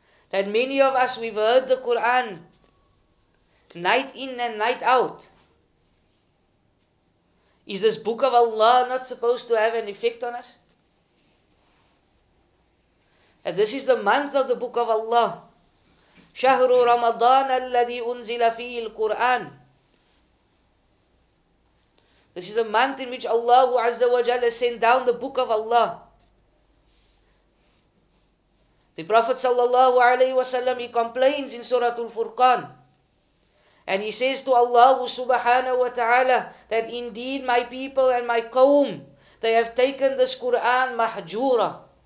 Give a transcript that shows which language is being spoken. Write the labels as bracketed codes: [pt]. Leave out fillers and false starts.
[en] That many of us, we've heard the Quran night in and night out. Is this book of Allah not supposed to have an effect on us? And this is the month of the book of Allah. [ar] شهر رمضان الذي أنزل فيه القرآن. [en] This is the month in which Allah Azza wa Jalla sent down the book of Allah. The Prophet sallallahu alayhi wa sallam, he complains in Surah Al-Furqan. And he says to Allah subhanahu wa ta'ala that indeed my people and my qawm, they have taken this Quran mahjura.